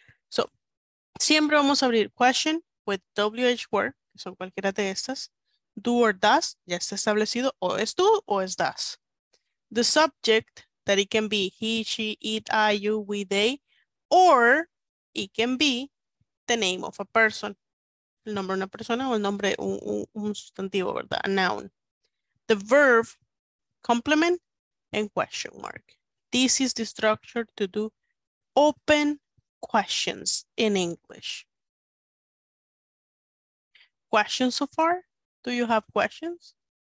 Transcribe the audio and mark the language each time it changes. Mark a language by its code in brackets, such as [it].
[es] So, siempre vamos a abrir [en] question with WH word, [es] que son cualquiera de estas. Do or does, ya está establecido, o es do o es does. [en] The subject, that it can be he, she, it, I, you, we, they, or it can be the name of a person. [es] El nombre de una persona o el nombre, un sustantivo, ¿verdad? [en] A noun. The verb, complement, and question mark. This is the structure to do open questions in English. Questions so far? Do you have questions?